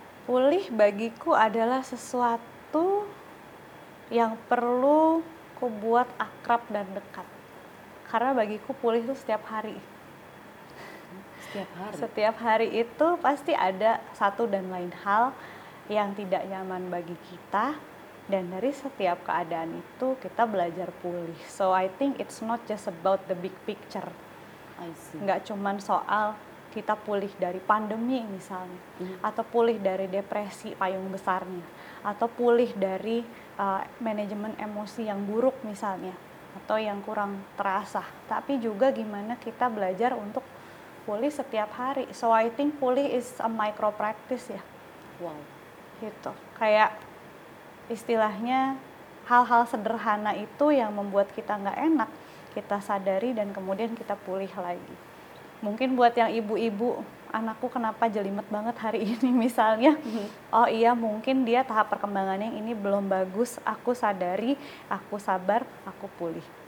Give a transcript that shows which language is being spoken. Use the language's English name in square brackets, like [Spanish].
[Indonesian] Pulih bagiku adalah sesuatu yang perlu ku buat akrab dan dekat. Karena bagiku pulih itu setiap hari. Setiap hari? Setiap hari itu pasti ada satu dan lain hal yang tidak nyaman bagi kita. Dan dari setiap keadaan itu kita belajar pulih. [English] So I think it's not just about the big picture. I see. [Indonesian] Nggak cuman soal kita pulih dari pandemi misalnya, atau pulih dari depresi payung besarnya, atau pulih dari manajemen emosi yang buruk misalnya, atau yang kurang terasa. Tapi juga gimana kita belajar untuk pulih setiap hari. [English] So I think pulih is a micro practice ya. Wow. Gitu. [Indonesian] Kayak istilahnya hal-hal sederhana itu yang membuat kita nggak enak, kita sadari dan kemudian kita pulih lagi. Mungkin buat yang ibu-ibu, anakku kenapa jelimet banget hari ini misalnya. Oh iya, mungkin dia tahap perkembangannya ini belum bagus, aku sadari, aku sabar, aku pulih.